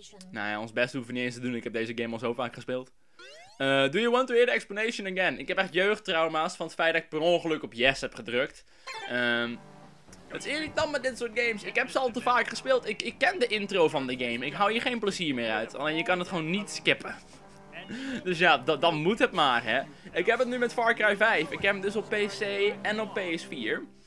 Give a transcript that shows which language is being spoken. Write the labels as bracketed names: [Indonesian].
[Dutch] Nou ja, ons best hoeven niet eens te doen. Ik heb deze game al zo vaak gespeeld. [English] Do you want to hear the explanation again? [Dutch] Ik heb echt jeugdtrauma's van het feit dat ik per ongeluk op yes heb gedrukt. Het is irritant met dit soort games. Ik heb ze al te vaak gespeeld. Ik ken de intro van de game. Ik hou hier geen plezier meer uit. Alleen je kan het gewoon niet skippen. Dus ja, dan moet het maar, hè. Ik heb het nu met Far Cry 5. Ik heb hem dus op PC en op PS4.